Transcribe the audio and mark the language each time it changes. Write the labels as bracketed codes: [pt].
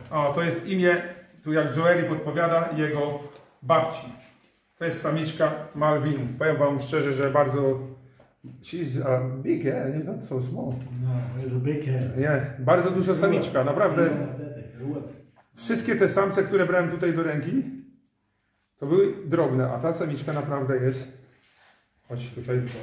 [pl] O, to jest imię, tu jak Joeli podpowiada, jego babci. To jest samiczka Malvin. Powiem Wam szczerze, że bardzo... [en] She's a big head, it's not so small. No, it's a big head. Yeah. [pl] Bardzo duża samiczka, naprawdę. Wszystkie te samce, które brałem tutaj do ręki, to były drobne, a ta samiczka naprawdę jest... Chodź tutaj.